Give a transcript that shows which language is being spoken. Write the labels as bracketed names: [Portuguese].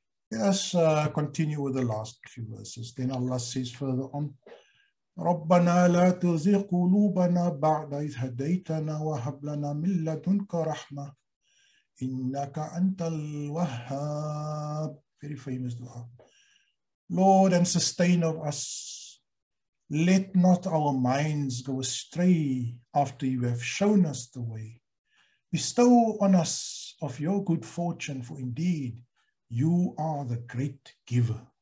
[English] Let's continue with the last few verses. Then Allah says further on, [Arabic] رَبَّنَا لَا تُزِغْ قُلُوبَنَا بَعْدَ إِذْ هَدَيْتَنَا وَهَبْ لَنَا مِنْ لَدُنْكَ رَحْمَةً إِنَّكَ أَنْتَ الْوَهَّابُ. [English] Very famous dua. Lord and sustainer of us, let not our minds go astray after you have shown us the way. Bestow on us of your good fortune, for indeed you are the great giver.